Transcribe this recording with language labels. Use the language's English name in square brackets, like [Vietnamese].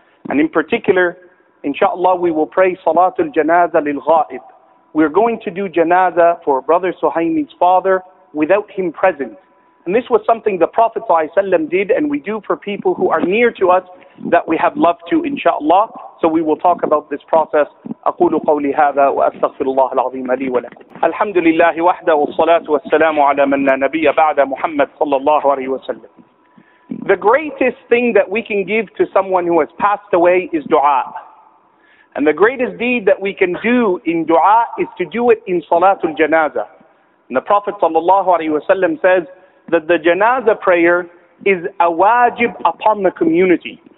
[English] And in particular, inshaAllah, we will pray Salatul Janazah lil-Ghaib. We're going to do Janazah for Brother Suhaimi's father without him present. And this was something the Prophet ﷺ did, and we do for people who are near to us that we have loved to, inshaAllah. So we will talk about this process. [Arabic] أقول قولي هذا وأستغفر الله العظيم لي ولكم. الحمد لله وحده والصلاة والسلام على من لا نبي بعد محمد صلى الله عليه وسلم. [English] The greatest thing that we can give to someone who has passed away is dua. And the greatest deed that we can do in dua is to do it in Salatul Janazah. And the Prophet صلى الله عليه وسلم says that the janazah prayer is a wajib upon the community.